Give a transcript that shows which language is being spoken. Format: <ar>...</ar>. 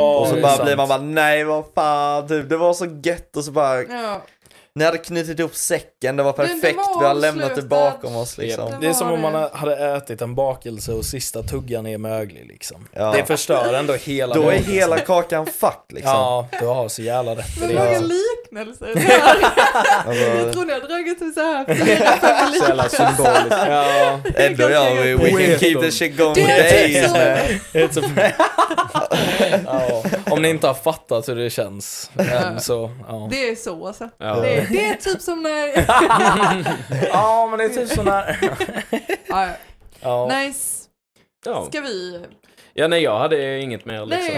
<sv>Och så bara blir man bara, nej vad fan typ, det var så gött och så bara ni hade knutit ihop säcken, det var perfekt, det var, vi har lämnat det bakom oss liksom. Det är som om man hade ätit en bakelse och sista tuggan är möglig liksom. Ja. Det förstör ändå hela då är hela kakan fucked liksom. Ja, du har så jävla rätt. Men många liknelser det här. Jag tror ni har dragit mig såhär flera familjer. Så jävla symboliskt. Ja. Ändå ja,</sv> <en>we can keep this shit going with days. It's a prank.</en> <sv>Om ni inte har fattat hur det känns än, så, det är så alltså. Det är typ som när ja, men det är typ sån här. Nice. Ska vi? Ja, nej, jag hade inget mer liksom.</sv>